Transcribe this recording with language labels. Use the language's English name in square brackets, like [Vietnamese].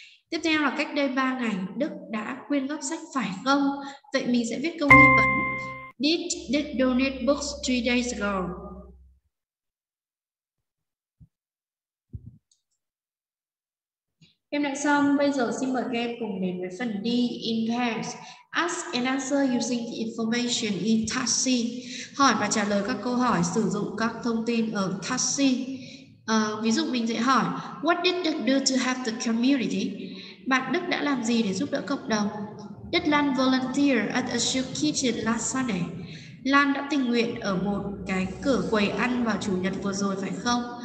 [Vietnamese] Tiếp theo là cách đây 3 ngày, Đức đã quyên góp sách phải không? Vậy mình sẽ viết câu nghi vấn. [English] Did Đức donate books 3 days ago? [Vietnamese] Em đã xong, bây giờ xin mời các em cùng đến với phần D [English] in pairs. Ask and answer using the information in task C. [Vietnamese] Hỏi và trả lời các câu hỏi sử dụng các thông tin ở task C. Ví dụ mình sẽ hỏi, [English] what did Đức do to help the community? [Vietnamese] Bạn Đức đã làm gì để giúp đỡ cộng đồng? [English] Did Lan volunteer at a soup kitchen last Sunday? [Vietnamese] Lan đã tình nguyện ở một cái cửa quầy ăn vào chủ nhật vừa rồi phải không?